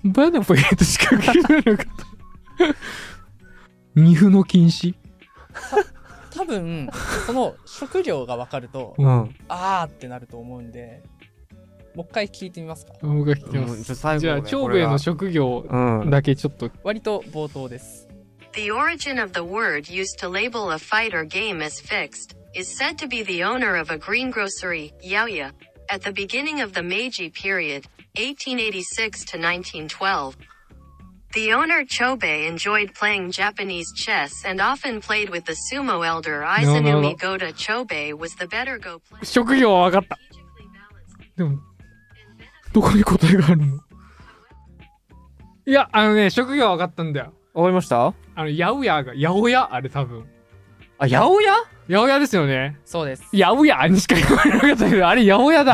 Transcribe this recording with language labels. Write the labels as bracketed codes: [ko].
[ja] バネポイントしか聞けなかった。二歩の禁止。多分その職業が分かると、うん、あーってなると思うんで、もう一回聞いてみますか？もう一回聞きます、うん、じゃあ長兵衛の職業だけちょっと、うん、割と冒頭です。 [en] The origin of the word used to label a fight or game as fixed is said to be the owner of a greengrocery, Yaoya. At the beginning of the Meiji period, 1886 to 1912,The owner Chobei enjoyed playing Japanese chess and often played with the sumo elder Aizenumi Goda. Chobei was the better go player. [ja] 職業は分かった。でもどこに答えがあるの？いや、あのね、職業は分かったんだよ。分かりました？あの、ヤオヤが、ヤオヤ、あれ多分。あ、ヤオヤ？ヤオヤですよね。そうです。ヤオヤにしか言われなかったけど、あれヤオヤだ。